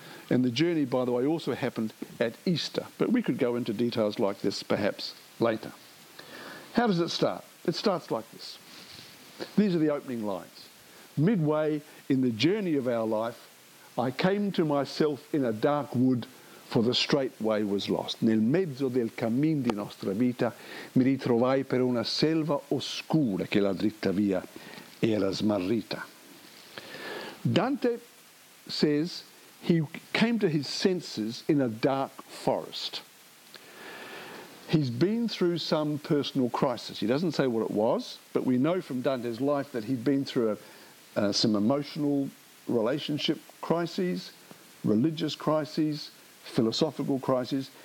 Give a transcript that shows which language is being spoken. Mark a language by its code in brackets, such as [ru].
[en] And the journey, by the way, also happened at Easter, but we could go into details like this perhaps later. How does it start? It starts like this. These are the opening lines. Midway in the journey of our life, I came to myself in a dark wood, for the straight way was lost. [it] Nel mezzo del cammin di nostra vita, mi ritrovai per una selva oscura che la dritta via era smarrita. [en] Dante says he came to his senses in a dark forest. He's been through some personal crisis. He doesn't say what it was, but we know from Dante's life that he'd been through some emotional relationship crises, religious crises, philosophical crises.